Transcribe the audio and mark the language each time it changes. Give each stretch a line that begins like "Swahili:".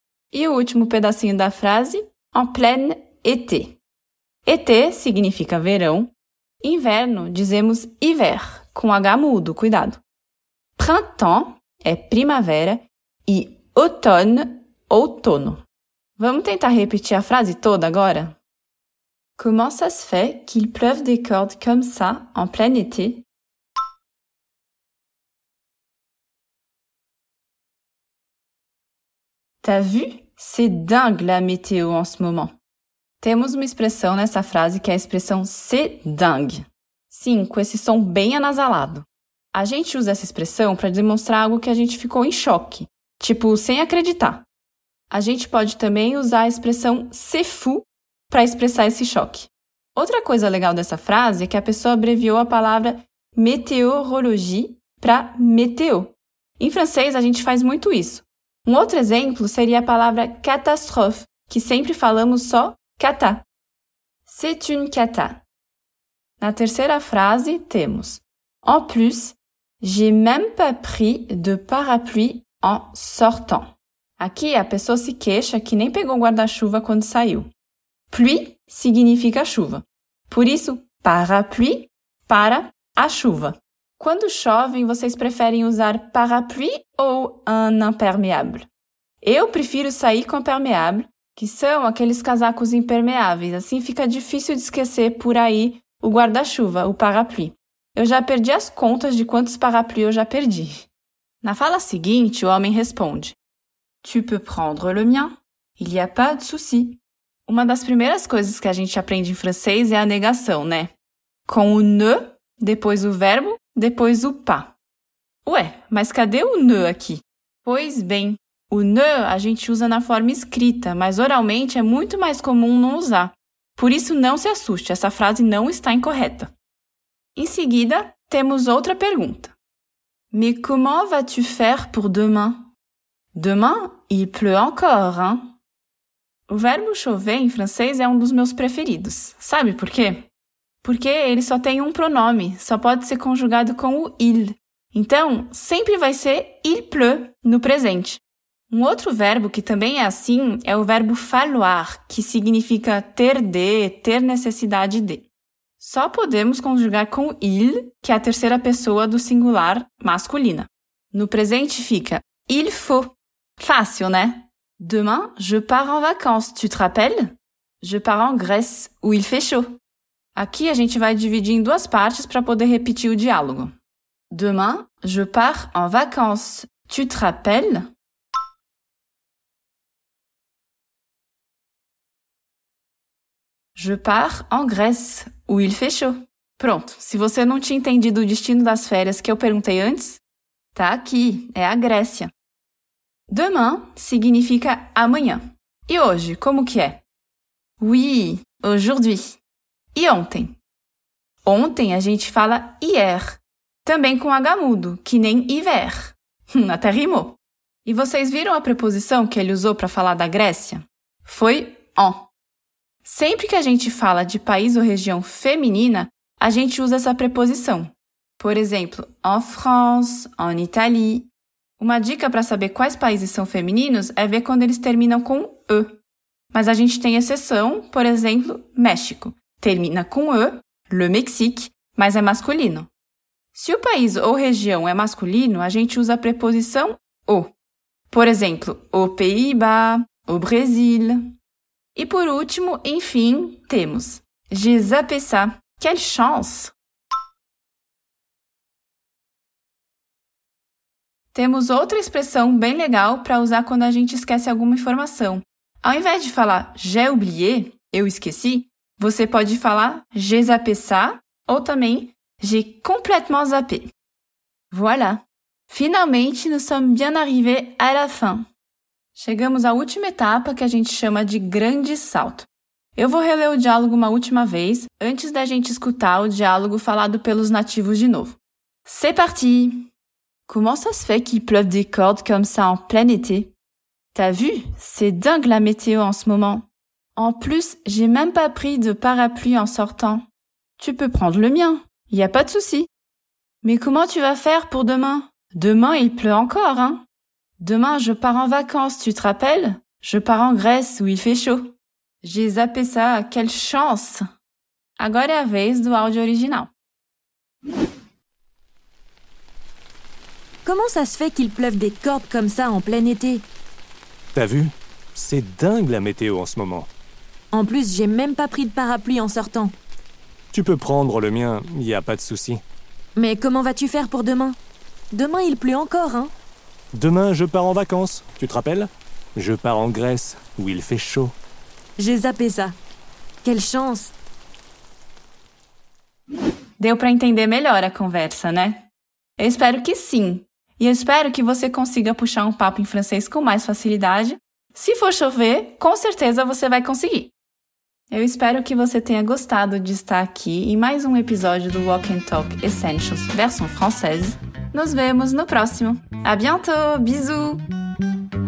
Portuguese: E o último pedacinho da frase,
French: en plein été.
Portuguese: Été significa verão, Inverno, dizemos hiver, com H mudo, cuidado. Printemps é primavera e automne, outono. Vamos tentar repetir a frase toda agora?
French: Comment ça se fait qu'il pleuve des cordes comme ça en plein été? T'as vu? C'est dingue la météo en ce moment.
Portuguese: Temos uma expressão nessa frase que é a expressão
French: c'est dingue.
Portuguese: Sim, com esse som bem anasalado. A gente usa essa expressão para demonstrar algo que a gente ficou em choque, tipo, sem acreditar. A gente pode também usar a expressão
French: c'est fou
Portuguese: para expressar esse choque. Outra coisa legal dessa frase é que a pessoa abreviou a palavra météorologie para météo. Em francês, a gente faz muito isso. Um outro exemplo seria a palavra catastrophe, que sempre falamos só cata.
French: C'est une cata.
Portuguese: Na terceira frase, temos En plus, j'ai même pas pris de parapluie en sortant. Aqui, a pessoa se queixa que nem pegou guarda-chuva quando saiu. Pluie significa chuva. Por isso, parapluie para a chuva. Quando chove, vocês preferem usar parapluie ou un imperméable? Eu prefiro sair com imperméable, que são aqueles casacos impermeáveis. Assim fica difícil de esquecer por aí o guarda-chuva, o parapluie. Eu já perdi as contas de quantos parapluies eu já perdi. Na fala seguinte, o homem responde:
French: Tu peux prendre le mien? Il n'y a pas de souci.
Portuguese: Uma das primeiras coisas que a gente aprende em francês é a negação, né? Com o ne, depois o verbo, depois o pas. Ué, mas cadê o ne aqui? Pois bem, o ne a gente usa na forma escrita, mas oralmente é muito mais comum não usar. Por isso, não se assuste, essa frase não está incorreta. Em seguida, temos outra pergunta.
French: Mais comment vas-tu faire pour demain? Demain, il pleut encore, hein?
Portuguese: O verbo chover em francês é um dos meus preferidos. Sabe por quê? Porque ele só tem um pronome, só pode ser conjugado com o il. Então, sempre vai ser
French: il pleut
Portuguese: no presente. Um outro verbo que também é assim é o verbo falloir, que significa ter de, ter necessidade de. Só podemos conjugar com il, que é a terceira pessoa do singular masculina. No presente fica
French: il faut.
Portuguese: Fácil, né?
French: Demain, je pars en vacances, tu te rappelles? Je pars en Grèce, où il fait chaud.
Portuguese: Aqui a gente vai dividir em duas partes para poder repetir o diálogo.
French: Demain, je pars en vacances, tu te rappelles? Je pars en Grèce, où il fait chaud.
Portuguese: Pronto, se você não tinha entendido o destino das férias que eu perguntei antes, tá aqui, é a Grécia. Demain significa amanhã. E hoje, como que é? Oui, aujourd'hui. E ontem? Ontem a gente fala hier, também com H mudo, que nem hiver. Até rimou. E vocês viram a preposição que ele usou para falar da Grécia? Foi en. Sempre que a gente fala de país ou região feminina, a gente usa essa preposição. Por exemplo,
French: en France, en Italie.
Portuguese: Uma dica para saber quais países são femininos é ver quando eles terminam com E. Mas a gente tem exceção, por exemplo, México. Termina com E, le Mexique, mas é masculino. Se o país ou região é masculino, a gente usa a preposição O. Por exemplo, o Pays-Bas, o Brésil. E por último, enfim, temos
French: J'ai zappé ça. Quelle chance!
Portuguese: Temos outra expressão bem legal para usar quando a gente esquece alguma informação. Ao invés de falar
French: j'ai oublié,
Portuguese: eu esqueci, você pode falar
French: j'ai zappé ça
Portuguese: ou também
French: j'ai complètement zappé. Voilà! Finalmente, nous sommes bien arrivés à la fin.
Portuguese: Chegamos à última etapa que a gente chama de grande salto. Eu vou reler o diálogo uma última vez antes da gente escutar o diálogo falado pelos nativos de novo.
French: C'est parti! Comment ça se fait qu'il pleuve des cordes comme ça en plein été? T'as vu? C'est dingue la météo en ce moment. En plus, j'ai même pas pris de parapluie en sortant. Tu peux prendre le mien, y a pas de souci. Mais comment tu vas faire pour demain? Demain, il pleut encore, hein? Demain, je pars en vacances, tu te rappelles? Je pars en Grèce où il fait chaud. J'ai zappé ça, quelle chance!
Portuguese: Agora é a vez do áudio original.
French: Comment ça se fait qu'il pleuve des cordes comme ça en plein été? T'as vu? C'est dingue la météo en ce moment. En plus, j'ai même pas pris de parapluie en sortant. Tu peux prendre le mien, il n'y a pas de souci. Mais comment vas-tu faire pour demain? Demain, il pleut encore, hein? Demain, je pars en vacances, tu te rappelles? Je pars en Grèce, où il fait chaud. J'ai zappé ça. Quelle chance!
Portuguese: Deu pra entender melhor a conversa, né? Eu espero que sim. E eu espero que você consiga puxar um papo em francês com mais facilidade. Se for chover, com certeza você vai conseguir. Eu espero que você tenha gostado de estar aqui em mais um episódio do Walk and Talk Essentials versão francesa. Nos vemos no próximo.
French: À bientôt! Bisous!